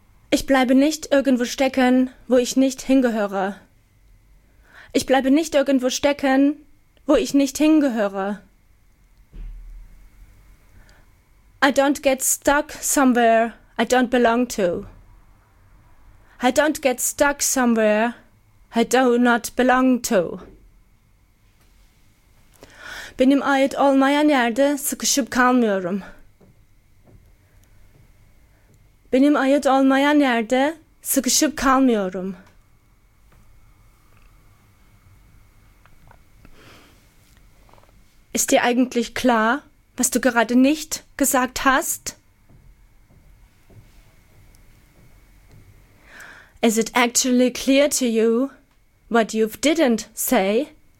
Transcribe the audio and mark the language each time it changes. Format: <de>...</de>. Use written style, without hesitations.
<de>Ich bleibe nicht irgendwo stecken, wo ich nicht hingehöre. Ich bleibe nicht irgendwo stecken, wo ich nicht hingehöre.</de> <en>I don't get stuck somewhere I don't belong to. I don't get stuck somewhere I do not belong to.</en> <tr>Benim ait olmayan yerde sıkışıp kalmıyorum. Benim ait olmayan yerde sıkışıp kalmıyorum.</tr> <de>Ist dir eigentlich klar, was du gerade nicht gesagt hast?</de> <en>Is it actually clear to you what you didn't say?</en>